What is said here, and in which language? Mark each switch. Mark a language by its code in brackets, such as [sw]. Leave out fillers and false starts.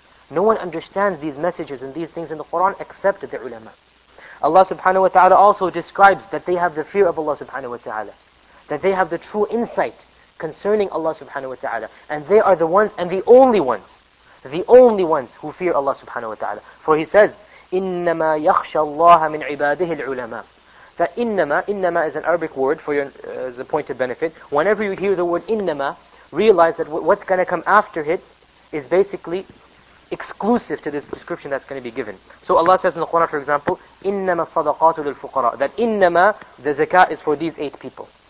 [en] No one understands these messages and these things in the Quran except the ulama. Allah subhanahu wa ta'ala also describes that they have the fear of Allah subhanahu wa ta'ala. That they have the true insight concerning Allah subhanahu wa ta'ala. And they are the ones and the only ones who fear Allah subhanahu wa ta'ala. For he says, [ar] إِنَّمَا يَخْشَى اللَّهَ مِنْ عِبَادِهِ الْعُلَمَى. [en] That إِنَّمَا is an Arabic word for your as a point of benefit. Whenever you hear the word إِنَّمَا, realize that what's going to come after it is basically exclusive to this description that's going to be given. So Allah says in the Quran, for example, [ar] إِنَّمَا الصَّدَقَاتُ لِلْفُقَرَاءِ, [en] that إِنَّمَا, the zakah, is for these eight people.